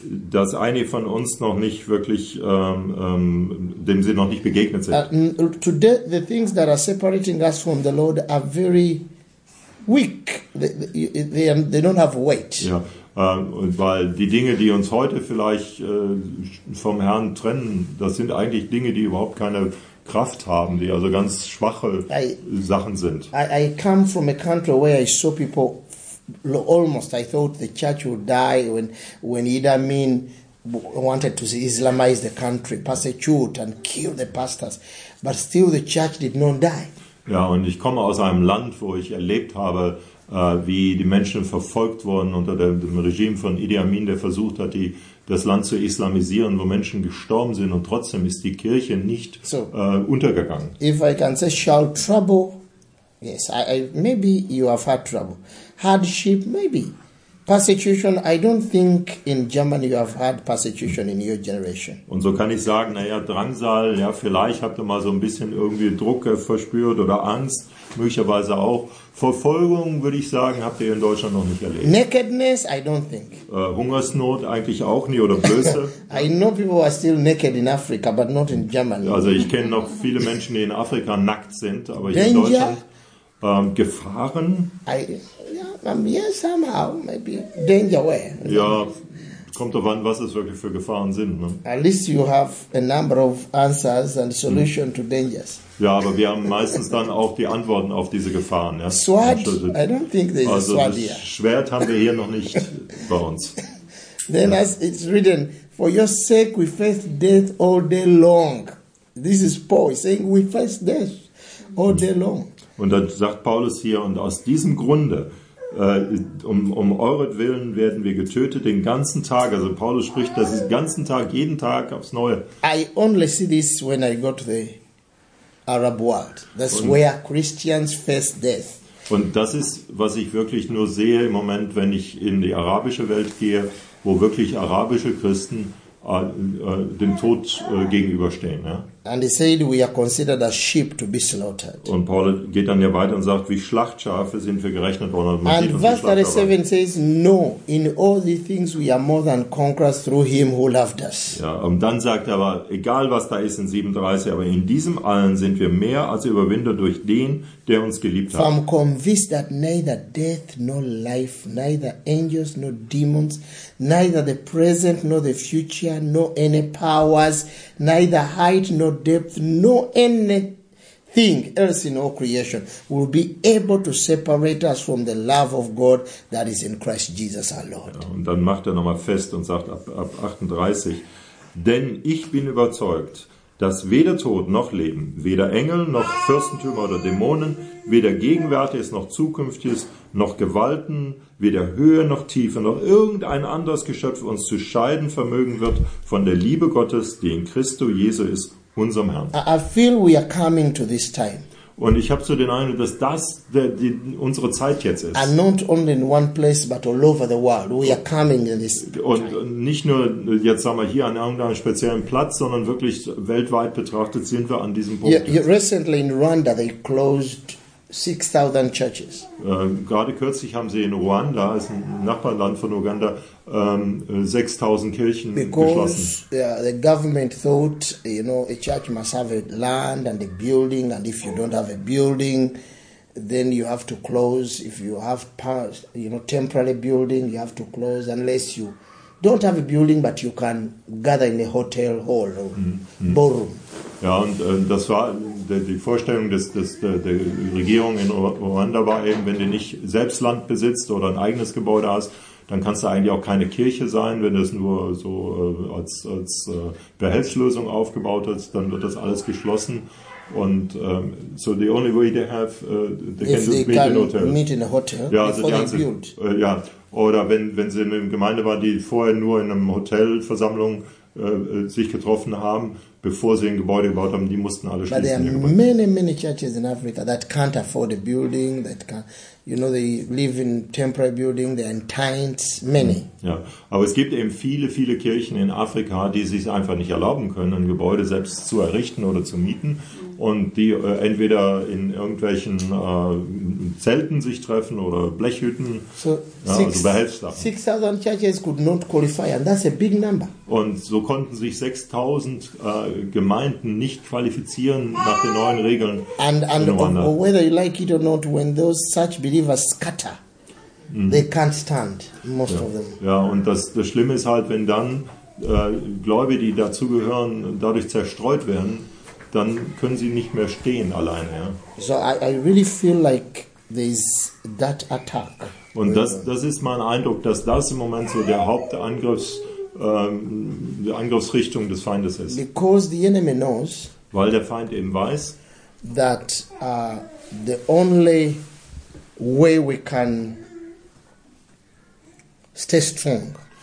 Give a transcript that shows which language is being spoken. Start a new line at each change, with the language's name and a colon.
German: Dass einige von uns noch nicht wirklich, dem sie noch nicht begegnet sind.
English: Today the things that are separating us from the Lord are very weak. They don't have weight.
German: Ja, weil die Dinge, die uns heute vielleicht vom Herrn trennen, das sind eigentlich Dinge, die überhaupt keine Kraft haben, die also ganz schwache Sachen sind.
English: I come from a country where I saw people almost, I thought the church would die when Idi Amin wanted to Islamize the country, persecute and kill the pastors. But still the church did not die.
German: Ja, und ich komme aus einem Land, wo ich erlebt habe, wie die Menschen verfolgt wurden unter dem Regime von Idi Amin, der versucht hat, das Land zu islamisieren, wo Menschen gestorben sind, und trotzdem ist die Kirche nicht untergegangen.
English: If I can say, shall trouble, yes, maybe you have had trouble. Hardship, maybe. Persecution, I don't think in Germany you have had persecution in your generation.
German: Und so kann ich sagen, naja, Drangsal, ja, vielleicht habt ihr mal so ein bisschen irgendwie Druck verspürt oder Angst, möglicherweise auch. Verfolgung, würde ich sagen, habt ihr in Deutschland noch nicht erlebt.
English: Nakedness, I don't think.
German: Hungersnot eigentlich auch nie, oder Blöße.
English: I know people are still naked in Africa, but not in Germany.
German: Also ich kenne noch viele Menschen, die in Afrika nackt sind, aber hier in Deutschland. Gefahren?
English: I, somehow, maybe danger way.
German: Ja, kommt auf an, was es wirklich für Gefahren sind. Ne?
English: At least you have a number of answers and solution to dangers.
German: Ja, aber wir haben meistens dann auch die Antworten auf diese Gefahren. Ja?
English: Sword, I don't think there is also a sword here.
German: Schwert haben wir hier noch nicht bei uns.
English: Then ja. As it's written, for your sake we face death all day long. This is Paul saying we face death all day long.
German: Und dann sagt Paulus hier, und aus diesem Grunde, um euretwillen werden wir getötet den ganzen Tag. Also Paulus spricht, das ist den ganzen Tag, jeden Tag aufs Neue.
English: I only see this when I go to the Arab world. That's und, where Christians face death.
German: Und das ist, was ich wirklich nur sehe im Moment, wenn ich in die arabische Welt gehe, wo wirklich arabische Christen dem Tod gegenüberstehen. Ja?
English: And he said we are considered as sheep to be slaughtered.
German: Und Paul geht dann ja weiter und sagt, wie Schlachtschafe sind wir gerechnet worden.
English: And verse 37 says, no, in all the things we are more than conquerors through him who loved us.
German: Ja, und dann sagt er aber, egal was da ist in 37, aber in diesem allen sind wir mehr als Überwinder durch den, der uns geliebt hat.
English: I'm convinced that neither death nor life, neither angels nor demons, neither the present nor the future, nor any powers, neither height nor depth, nor anything else in all creation will be able to separate us from the love of God that is in Christ Jesus our Lord.
German: Ja, und dann macht er nochmal fest und sagt ab 38, denn ich bin überzeugt, dass weder Tod noch Leben, weder Engel noch Fürstentümer oder Dämonen, weder Gegenwärtiges noch Zukünftiges, noch Gewalten, weder Höhe noch Tiefe, noch irgendein anderes Geschöpf uns zu scheiden vermögen wird von der Liebe Gottes, die in Christo Jesu ist, unserem Herrn.
English: I feel we are coming to this time.
German: Und ich habe so den Eindruck, dass das unsere Zeit jetzt ist.
English: And not only in one place, but all over the world. We are coming in this time.
German: Und nicht nur jetzt, sagen wir, hier an irgendeinem speziellen Platz, sondern wirklich weltweit betrachtet sind wir an diesem Punkt.
English: Yeah, recently in Rwanda, they closed 6,000 churches.
German: Gerade kürzlich haben sie in Rwanda, ist ein Nachbarland von Uganda, 6,000 Kirchen geschlossen.
English: The government thought, you know, a church must have a land and a building, and if you don't have a building, then you have to close. If you have, you know, temporary building, you have to close unless you don't have a building, but you can gather in a hotel hall or ballroom.
German: Ja, und das war die Vorstellung der Regierung in Ruanda war eben, wenn du nicht selbst Land besitzt oder ein eigenes Gebäude hast, dann kannst du eigentlich auch keine Kirche sein, wenn du es nur so als Behelfslösung aufgebaut hast, dann wird das alles geschlossen. Und so
English: the only way they have, they can just they meet, can in hotel. Meet in a hotel,
German: ja,
English: before they
German: ganze,
English: build.
German: Ja, oder wenn sie in einer Gemeinde waren, die vorher nur in einem Hotelversammlung sich getroffen haben, bevor sie ein Gebäude gebaut haben, die mussten alle schließen.
English: But there are many, many churches in Africa that can't afford a building, that can't, you know, they live in temporary building, they are in tents, many.
German: Ja, aber es gibt eben viele, viele Kirchen in Afrika, die sich einfach nicht erlauben können, ein Gebäude selbst zu errichten oder zu mieten. Und die entweder in irgendwelchen Zelten sich treffen oder Blechhütten, so, ja, also Behelfsdach.
English: 6,000 Churches could not qualify, and that's a big number.
German: Und so konnten sich 6,000 Gemeinden nicht qualifizieren nach den neuen Regeln.
English: And whether you like it or not, when those such believers scatter, they can't stand, most
German: ja.
English: of them.
German: Ja, und das Schlimme ist halt, wenn dann Gläubige, die dazugehören, dadurch zerstreut werden, dann können sie nicht mehr stehen alleine. Ja.
English: So I really feel like there's that attack.
German: Und das ist mein Eindruck, dass das im Moment so der Hauptangriffsrichtung des Feindes ist.
English: Because the enemy knows,
German: weil der Feind eben weiß,
English: that the only way we can stay strong.